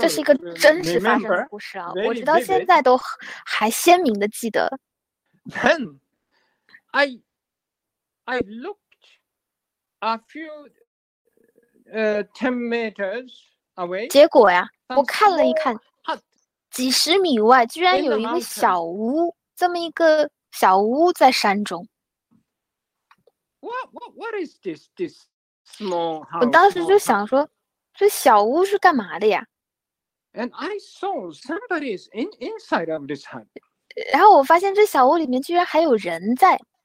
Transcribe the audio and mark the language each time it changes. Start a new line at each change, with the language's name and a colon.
Chinese: 这是一个真实发生的故事啊！我直到现在都还鲜明的记得。
English: Then I looked a few ten meters away.
Chinese: 结果呀，我看了一看，几十米外居然有一个小屋，这么一个小屋在山中。
English: What is this small house?
Chinese: 我当时就想说，这小屋是干嘛的呀？
English: And I saw somebody is inside of this hut.
Chinese: 然后我发现这小屋里面居然还有人在。